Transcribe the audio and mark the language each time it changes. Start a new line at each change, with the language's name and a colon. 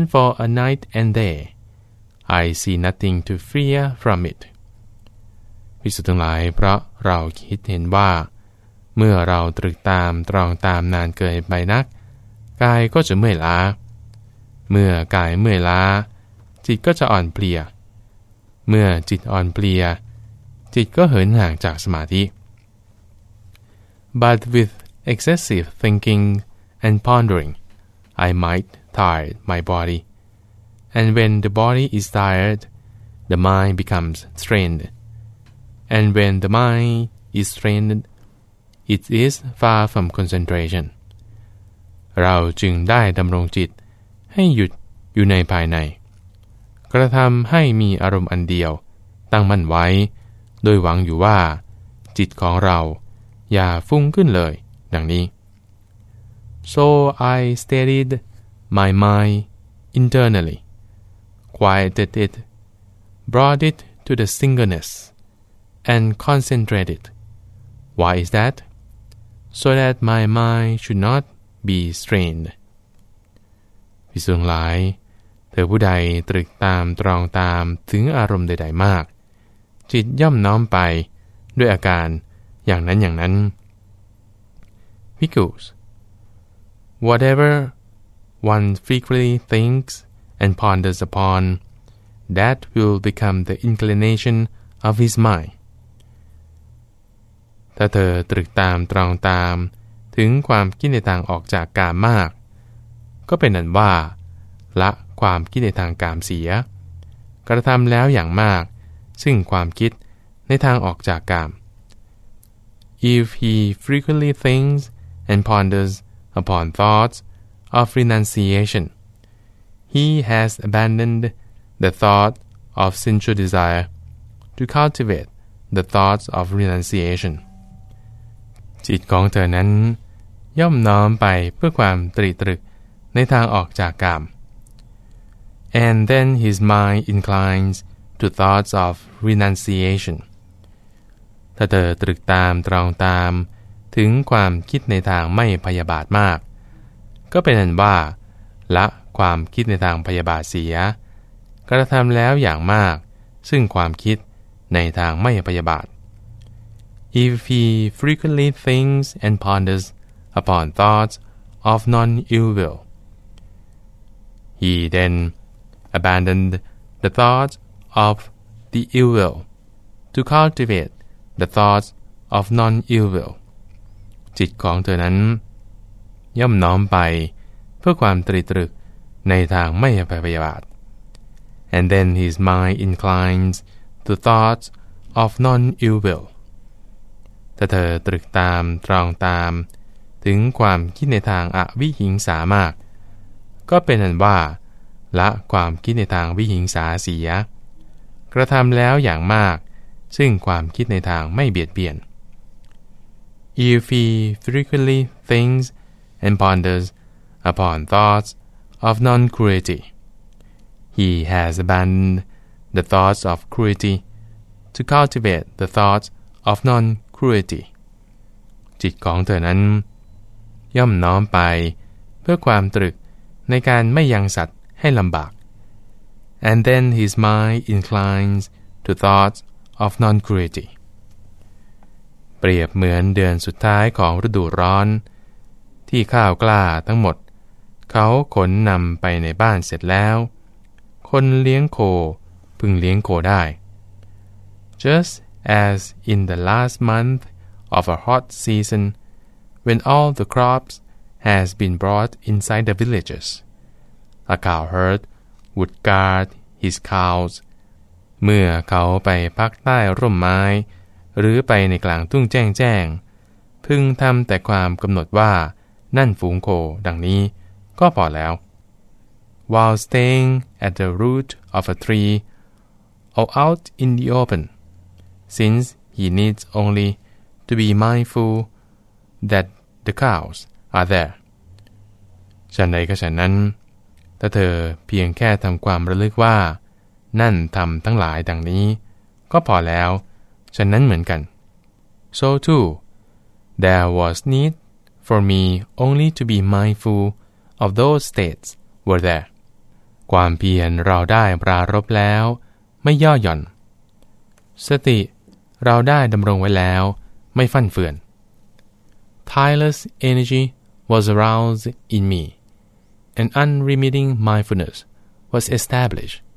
English: If I think and ponder upon this thought even for a night even for a day even for a night and day I see nothing to fear from it
Thai: ภิกษุทั้งหลายเพราะเราคิดเห็นว่า เมื่อเราตรึกตามตรองตามนานเกินไปนักกายก็จะเมื่อยล้าเมื่อกายเมื่อยล้าจิตก็จะอ่อนเพลียเมื่อจิตอ่อนเพลีย จิตก็เหินห่างจากสมาธิ
English: But with excessive thinking and pondering, I might tire my body. And when the body is tired, the mind becomes strained. And when the mind is strained, it is far from concentration.
Thai: เราจึงได้ดำรงจิตให้หยุดอยู่ในภายในกระทำให้มีอารมณ์อันเดียวตั้งมั่นไว้โดยหวังอยู่ว่าจิตของเราอย่าฟุ้งขึ้นเลยดังนี้
English: So I steadied my mind internally, quieted it, brought it to the singleness, and concentrated. Why is that? So that my mind should not be strained.
Thai: ภิกษุทั้งหลายเธอผู้ใดตรึกตามตรองตามถึงอารมณ์ใดๆมากจิตย่อมน้อมไปด้วยอาการอย่างนั้นอย่างนั้น
English: Because whatever one frequently thinks and ponders upon, that will become the inclination of his mind.
Thai: ถ้าเธอตรึกตามตรองตามถึงความคิดในทางออกจากกามมากก็เป็นนั้นว่าละความคิดในทางกามเสียกระทำแล้วอย่างมากซึ่งความคิดในทางออกจากกาม
English: If he frequently thinks and ponders upon thoughts of renunciation, he has abandoned the thought of sensual desire to cultivate the thoughts of renunciation.
Thai: จิตของเธอนั้นย่อมน้อมไปเพื่อความตรีตรึกในทางออกจากกาม
English: And then his mind inclines to thoughts of renunciation.
Thai: ถ้าเธอตรึกตามตรองตามถึงความคิดในทางไม่พยาบาทมากก็เป็นอันว่าละความคิดในทางพยาบาทเสียกระทำแล้วอย่างมากซึ่งความคิดในทางไม่พยาบาท
English: If he frequently thinks and ponders upon thoughts of non-ill will, he then abandoned the thoughts of the ill will to cultivate the thoughts of non-ill will.
Thai: จิตของเธอนั้นย่อมน้อมไปเพื่อความตรีตรึกในทางไม่พยาบาท
English: And then his mind inclines to thoughts of non-ill will.
Thai: ถ้าเธอตรึกตามตรองตามถึงความคิดในทางอวิหิงสามากก็เป็นอันว่าละความคิดในทางวิหิงสาเสียกระทำแล้วอย่างมากซึ่งความคิดในทางไม่เบียดเบียน
English: If he frequently thinks and ponders upon thoughts of non-cruelty, he has abandoned the thoughts of cruelty to cultivate the thoughts of non-cruelty.
Thai: จิตของเธอนั้นย่อมน้อมไปเพื่อความตรึกในการไม่ยังสัตว์ให้ลำบาก
English: And then his mind inclines to thoughts of non-cruelty.
Thai: เปรียบเหมือนเดือนสุดท้ายของฤดูร้อนที่ข้าวกล้าทั้งหมดเขาขนนำไปในบ้านเสร็จแล้วคนเลี้ยงโคพึงเลี้ยงโคได้
English: Just as in the last month of a hot season, when all the crops has been brought inside the villages, a cowherd would guard his cows.
Thai: เมื่อเขาไปพักใต้ร่มไม้หรือไปในกลางทุ่งแจ้งแจ้งพึงทำแต่ความกำหนดว่านั่นฝูงโคดังนี้ก็พอแล้ว
English: While staying at the root of a tree or out in the open, since he needs only to be mindful that the cows are there.
Thai: ฉันใดก็ฉันนั้นถ้าเธอเพียงแค่ทำความระลึกว่านั่นทำทั้งหลายดังนี้ก็พอแล้วฉะนั้นเหมือนกัน
English: So too, there was need for me only to be mindful of those states were there.
Thai: ความเพียรเราได้ปรารภแล้วไม่ย่อหย่อนสติเราได้ดำรงไว้แล้วไม่ฟั่นเฟือน
English: Tireless energy was aroused in me, and unremitting mindfulness was established.